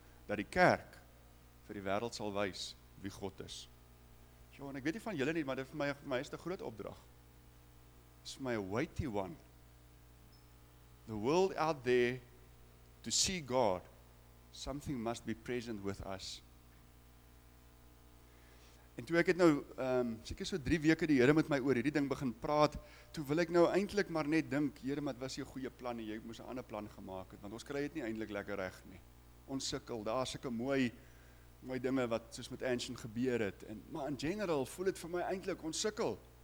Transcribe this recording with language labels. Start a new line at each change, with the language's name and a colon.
Afrikaans: Dat die kerk vir die wêreld sal wys wie God is. Ja, en ek weet nie van julle nie, maar dit vir my is 'n groot opdrag. Is vir my
English: a weighty one. The world out there to see God, something must be present with us.
Afrikaans: En toe ek het nou, seker so 3 weke die Here met my oor hierdie ding begin praat, toe wil ek nou eintlik maar net dink, Here, wat was jou goeie plan en jy moes 'n ander plan gemaak het, want ons kry dit nie eintlik lekker reg nie. Ons sukkel, daar's sulke mooi dinge wat soos met Ancient gebeur het, en, maar
English: in general
Afrikaans: voel dit vir my eintlik, ons sukkel.